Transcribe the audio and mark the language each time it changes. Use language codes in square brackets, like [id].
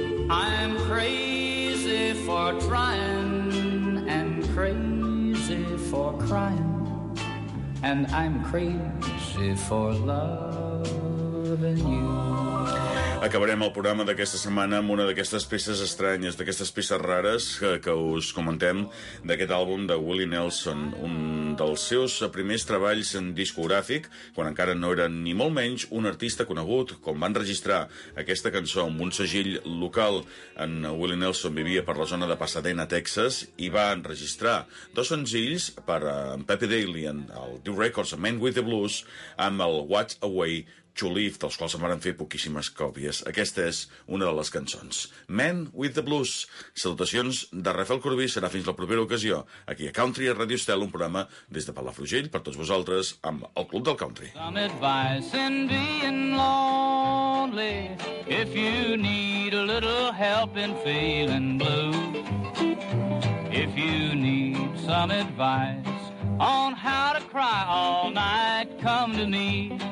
[en] I'm crazy for trying and crazy for crying, and I'm crazy for loving you. [ca] Acabarem el programa d'aquesta setmana amb una d'aquestes peces estranyes, d'aquestes peces rares que us comentem, d'aquest àlbum de Willie Nelson, un dels seus primers treballs en discogràfic, quan encara no era ni molt menys un artista conegut, com van registrar aquesta cançó amb un segell local. En Willie Nelson vivia per la zona de Pasadena, Texas, i va enregistrar dos senzills per en Pepe Daly, en el Dew Records, en Man with the Blues, amb el Watch Away To Live, dels quals se'n van fer poquíssimes còpies. Aquesta és una de les cançons. Man with the Blues. Salutacions de Rafael Corbí. Serà fins la propera ocasió aquí a Country, a Radio Estel, un programa des de Palafrugell per tots vosaltres amb el Club del Country. [en] Some advice in being lonely, if you need a little help in feeling blue. If you need some advice on how to cry all night, come to me.